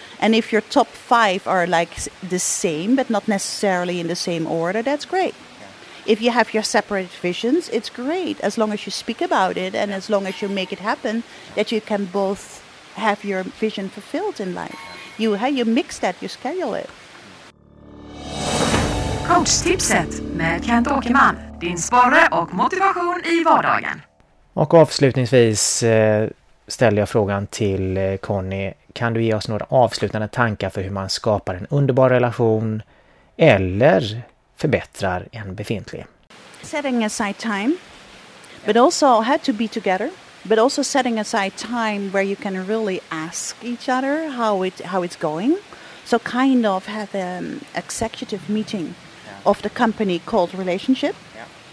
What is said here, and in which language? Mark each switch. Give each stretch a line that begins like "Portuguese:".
English: And if your top 5 are like the same, but not necessarily in the same order, that's great. If you have your separate visions, it's great. As long as you speak about it and as long as you make it happen, that you can both... have your vision fulfilled in life. You mix that, you schedule it.
Swedish: Coachtipset med Kent Åkerman, din sparare och motivation i vardagen. Och avslutningsvis ställer jag frågan till Conny. Kan du ge oss några avslutande tankar för hur man skapar en underbar relation eller förbättrar en befintlig?
English: Setting aside time, but also had to be together. But also setting aside time where you can really ask each other how it's going. So kind of have an executive meeting of the company called relationship. Yeah.